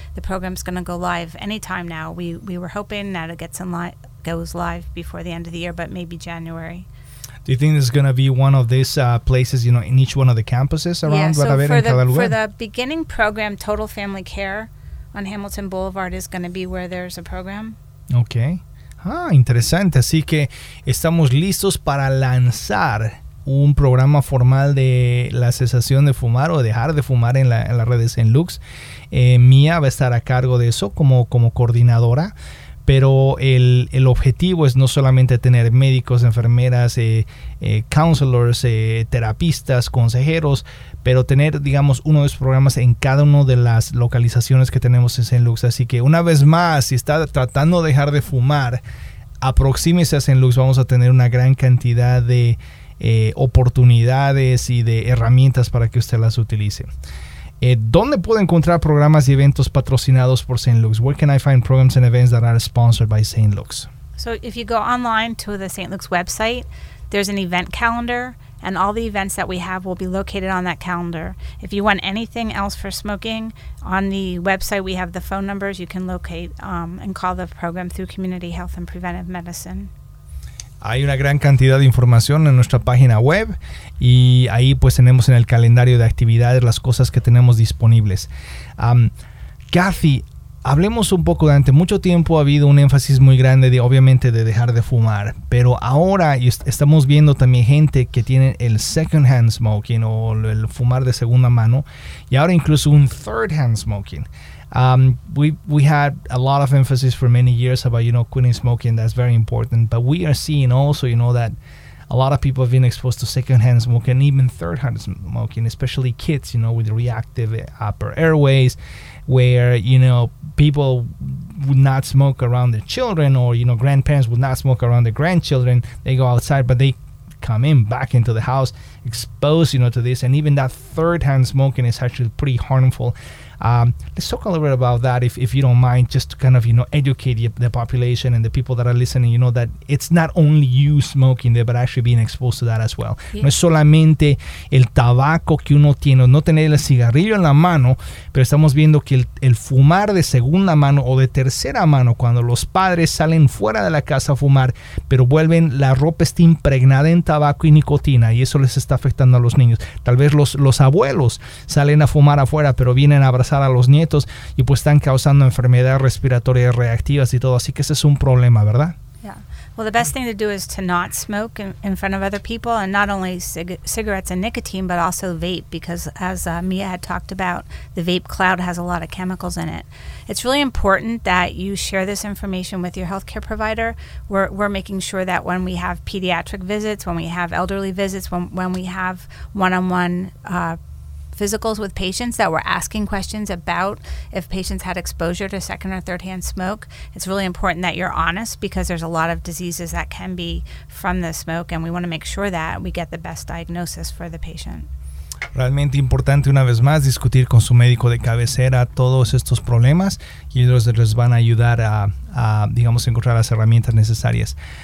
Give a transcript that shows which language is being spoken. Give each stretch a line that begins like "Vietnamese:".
English: The program's going to go live anytime now. We were hoping that it goes live before the end of the year, but maybe January. Do you think it's going to be one of these places, you know, in each one of the campuses around? Yeah, so for the beginning program, Total Family Care on Hamilton Boulevard is going to be where there's a program. Okay.
Spanish: Ah, interesante. Así que estamos listos para lanzar un programa formal de la cesación de fumar o dejar de fumar en las redes St. Luke's. Mia va a estar a cargo de eso como coordinadora. Pero el objetivo es no solamente tener médicos, enfermeras, counselors, terapistas, consejeros, pero tener, digamos, uno de esos programas en cada una de las localizaciones que tenemos en St. Luke's. Así que una vez más, si está tratando de dejar de fumar, aproxímese a St. Luke's. Vamos a tener una gran cantidad de oportunidades y de herramientas para que usted las utilice. ¿Dónde puedo encontrar programas y eventos patrocinados por St. Luke's?
English: Where can I find programs and events that are sponsored by St. Luke's? So if you go online to the St. Luke's website, there's an event calendar, and all the events that we have will be located on that calendar. If you want anything else for smoking, on the website we have the phone numbers you can locate and call the program through Community Health and Preventive Medicine.
Spanish: Hay una gran cantidad de información en nuestra página web y ahí pues tenemos en el calendario de actividades las cosas que tenemos disponibles. Kathy, hablemos un poco. Durante mucho tiempo ha habido un énfasis muy grande de obviamente de dejar de fumar, pero ahora estamos viendo también gente que tiene el
English: second hand smoking
Spanish: o el fumar de segunda mano y ahora incluso un
English: third hand smoking. We had a lot of emphasis for many years about, you know, quitting smoking. That's very important. But we are seeing also, you know, that a lot of people have been exposed to secondhand smoking, even thirdhand smoking, especially kids, you know, with reactive upper airways, where, you know, people would not smoke around their children, or, you know, grandparents would not smoke around their grandchildren. They go outside, but they come in back into the house exposed, you know, to this. And even that thirdhand smoking is actually pretty harmful. Let's talk a little bit about that, if you don't mind, just to kind of, you know, educate the population and the people that are listening, you know, that it's not only you smoking there, but actually being exposed to that as well. Yeah.
Spanish: No es solamente el tabaco que uno tiene, no tener el cigarrillo en la mano, pero estamos viendo que el fumar de segunda mano o de tercera mano, cuando los padres salen fuera de la casa a fumar, pero vuelven, la ropa está impregnada en tabaco y nicotina, y eso les está afectando a los niños. Tal vez los abuelos salen a fumar afuera, pero vienen a abrazar a los nietos y pues están causando enfermedades respiratorias reactivas y todo, así que ese es un problema, ¿verdad?
English: Yeah. Well, the best thing to do is to not smoke in front of other people, and not only cigarettes and nicotine, but also vape, because as Mia had talked about, the vape cloud has a lot of chemicals in it. It's really important that you share this information with your healthcare provider. We're making sure that when we have pediatric visits, when we have elderly visits, when we have one-on-one physicals with patients, that we're asking questions about if patients had exposure to second or third hand smoke. It's really important that you're honest, because there's a lot of diseases that can be from the smoke, and we want to make sure that we get the best diagnosis for the patient.
Spanish: Realmente importante, una vez más, discutir con su médico de cabecera todos estos problemas, y ellos les van a ayudar a digamos, encontrar las herramientas necesarias.